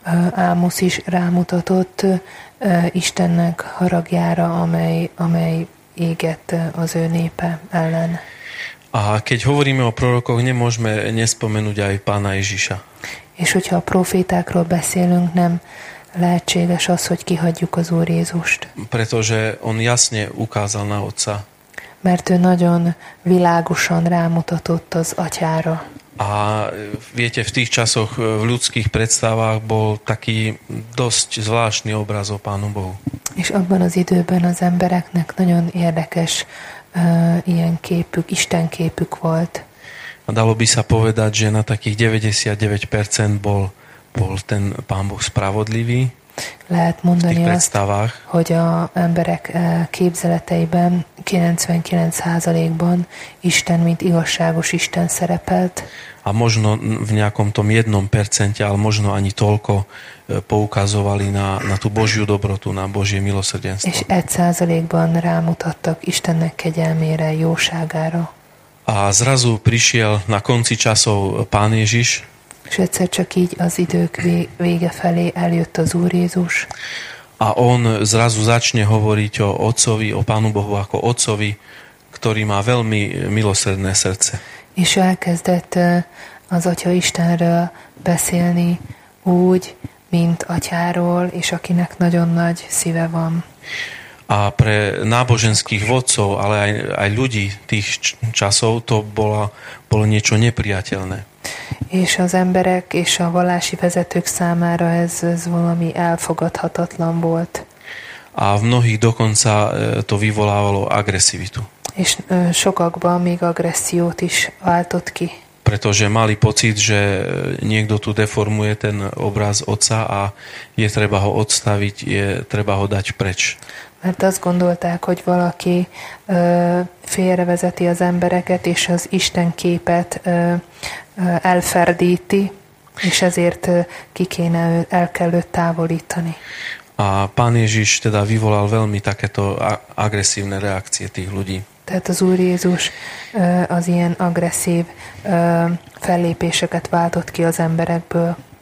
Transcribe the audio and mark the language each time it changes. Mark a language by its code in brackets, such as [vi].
[hu] Amos is rámutatott Istennek haragjára, amely égett az ő népe ellen. [sk] A keď hovoríme o prorokoch, nemôžeme nespomenúť aj Pána Ježiša. [hu] És hogyha a profétákról beszélünk, nem lehetséges az, hogy kihagyjuk az Úr Jézust. [sk] Pretože on jasne ukázal na Otca. [hu] Mert ő nagyon világosan rámutatott az Atyára. [sk] A viete, v tých časoch v ľudských predstavách bol taký dosť zvláštny obraz o Pánu Bohu. [hu] És abban az időben az embereknek nagyon érdekes ilyen képük, Isten képük volt. [sk] A dalo by sa povedať, že na takých 99% bol ten Pán Boh spravodlivý. [hu] Lehet mondani azt, hogy a emberek képzeleteiben 99%-ban Isten, mint igazságos Isten szerepelt. [sk] A možno v nejakom tom 1%, ale možno ani toľko poukazovali na tú Božiu dobrotu, na Božie milosrdenstvo. [hu] És 1%-ban rámutattak Istennek kegyelmére, jóságára. [sk] A zrazu prišiel na konci časov Pán Ježiš. [hu] És egyszer csak így az idők vége felé eljött az Úr Jézus. [sk] A on zrazu začne hovoriť o Otcovi, o Pánu Bohu ako Otcovi, ktorý má veľmi milosrdné srdce. [hu] És elkezdett az Atya Istenről beszélni úgy, mint Atyáról, és akinek nagyon nagy szíve van. [sk] A pre náboženských vodcov, ale aj ľudí tých časov, to bolo niečo nepriateľné. [hu] És az emberek és a vallási vezetők számára ez valami elfogadhatatlan volt. [sk] A v mnohých dokonca to vyvolávalo agresivitu. [hu] És sokakban még agressziót is váltott ki. [sk] Pretože mali pocit, že niekto tu deformuje ten obraz Otca a je treba ho odstaviť, je treba ho dať preč. [hu] Mert azt gondolták, hogy valaki félrevezeti az embereket és az Isten képet elferdíti, és ezért ki kéne el kell őt távolítani. [sk] A Pán Ježiš teda vyvolal veľmi takéto agresívne reakcie tých ľudí. [hu] Tehát az Úr Jézus az ilyen agresszív fellépéseket váltott ki az emberekből.